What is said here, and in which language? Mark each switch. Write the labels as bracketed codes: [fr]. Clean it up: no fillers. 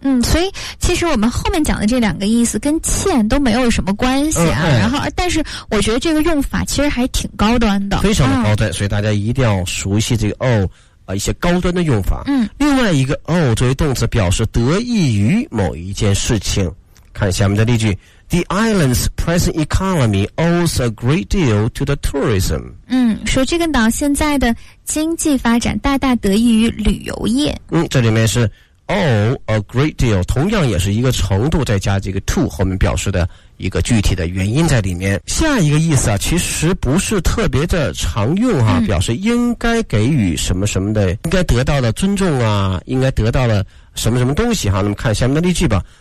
[zh] 所以其实我们后面讲的这两个意思跟欠都没有什么关系啊。然后但是我觉得这个用法其实还挺高端的，非常的高端。所以大家一定要熟悉这个 一些高端的用法。另外一个 作为动词表示得益于某一件事情。看下面的例句， [en] The island's present economy owes a great deal to the tourism. [zh] 嗯，说这个岛现在的经济发展大大得益于旅游业。嗯，这里面是 owe a great deal， 同样也是一个程度，再加这个 to 后面表示的一个具体的原因在里面。下一个意思啊，其实不是特别的常用啊，表示应该给予什么什么的，应该得到的尊重啊，应该得到的什么什么东西哈。那么看下面的例句吧。